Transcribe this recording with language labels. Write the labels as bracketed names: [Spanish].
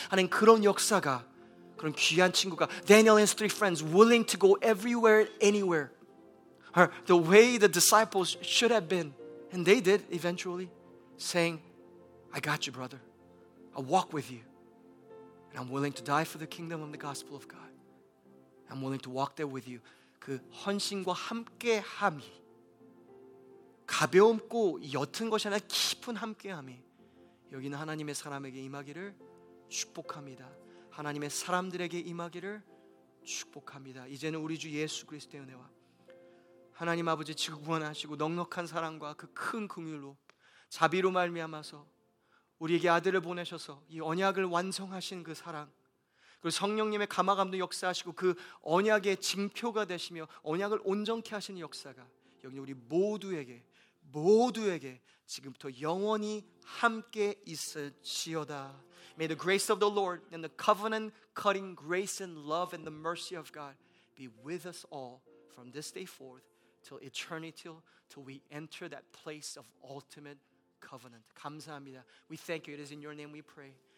[Korean] 하나님 그런 역사가 그런 귀한 친구가 [English] Daniel and his three friends willing to go everywhere, anywhere. Or the way the disciples should have been, and they did eventually, saying, I got you, brother. I walk with you. And I'm willing to die for the kingdom and the gospel of God. I'm willing to walk there with you. [Korean] 그 헌신과 함께함이 가벼움고 옅은 것이 아니라 깊은 함께함이 여기는 하나님의 사람에게 임하기를 축복합니다. 하나님의 사람들에게 임하기를 축복합니다. 이제는 우리 주 예수 그리스도의 은혜와 하나님 아버지 지금 구원하시고 넉넉한 사랑과 그 큰 긍휼로 자비로 말미암아서 우리에게 아들을 보내셔서 이 언약을 완성하신 그 사랑 그리고 성령님의 감화감도 역사하시고 그 언약의 증표가 되시며 언약을 온전케 하시는 역사가 여기 우리 모두에게 지금부터 영원히 함께 있을지어다. [English] May the grace of the Lord and the covenant cutting grace and love and the mercy of God be with us all from this day forth till eternity, till we enter that place of ultimate covenant. [Korean] 감사합니다. [English] We thank you. It is in your name we pray.